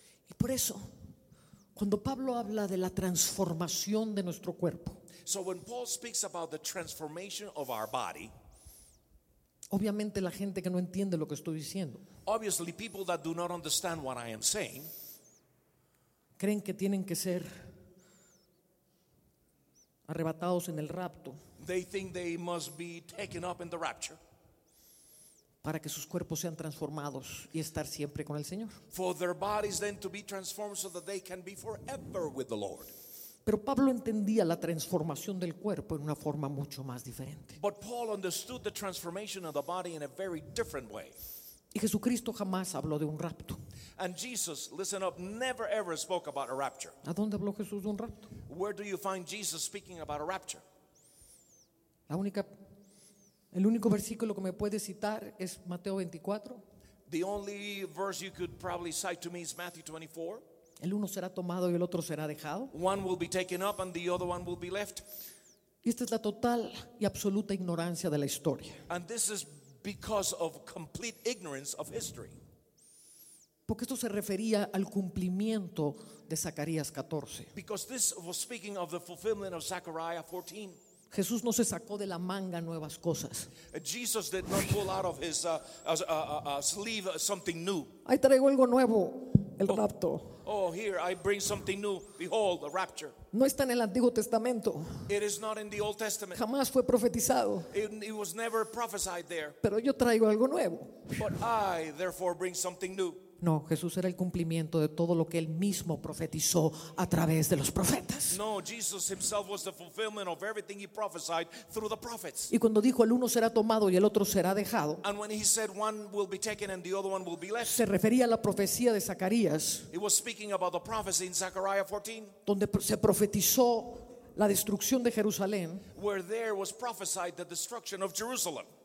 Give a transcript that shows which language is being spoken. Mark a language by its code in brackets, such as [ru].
[es] Y por eso, cuando Pablo habla de la transformación de nuestro cuerpo, [en] so when Paul speaks about the transformation of our body, [es] obviamente la gente que no entiende lo que estoy diciendo, [en] obviously people that do not understand what I am saying, [es] creen que tienen que ser arrebatados en el rapto, [en] they think they must be taken up in the rapture. [es] Para que sus cuerpos sean transformados y estar siempre con el Señor. [en] For their bodies then to be transformed so that they can be forever with the Lord. [es] Pero Pablo entendía la transformación del cuerpo en una forma mucho más diferente. [en] But Paul understood the transformation of the body in a very different way. [es] Y Jesucristo jamás habló de un rapto. [en] And Jesus, listen up, never ever spoke about a rapture. [es] ¿A dónde habló Jesús de un rapto? [en] Where do you find Jesus speaking about a rapture? [es] La única, el único versículo que me puede citar es Mateo 24. [en] The only verse you could probably cite to me is Matthew 24. [es] El uno será tomado y el otro será dejado. [en] One will be taken up and the other one will be left. [es] Y esta es la total y absoluta ignorancia de la historia. [en] And this is because of complete ignorance of history. [es] Porque esto se refería al cumplimiento de Zacarías 14. [en] Because this was speaking of the fulfillment of Zechariah 14. [es] Jesús no se sacó de la manga nuevas cosas. [en] Jesus did not pull out of his sleeve something new. [es] Ahí traigo algo nuevo, el rapto. [en] Oh, here I bring something new. Behold, the rapture. [es] No está en el Antiguo Testamento. [en] It is not in the Old Testament. [es] Jamás fue profetizado. [en] It was never prophesied there. [es] Pero yo traigo algo nuevo. [en] But I therefore bring something new. [es] No, Jesús era el cumplimiento de todo lo que él mismo profetizó a través de los profetas. [en] No, Jesus himself was the fulfillment of everything he prophesied through the prophets. [es] Y cuando dijo el uno será tomado y el otro será dejado, [en] and when he said one will be taken and the other one will be left, [es] se refería a la profecía de Zacarías. [en] He was speaking about the prophecy in Zechariah 14, [es] donde se profetizó la destrucción de Jerusalén, [en] where there was prophesied the destruction of Jerusalem,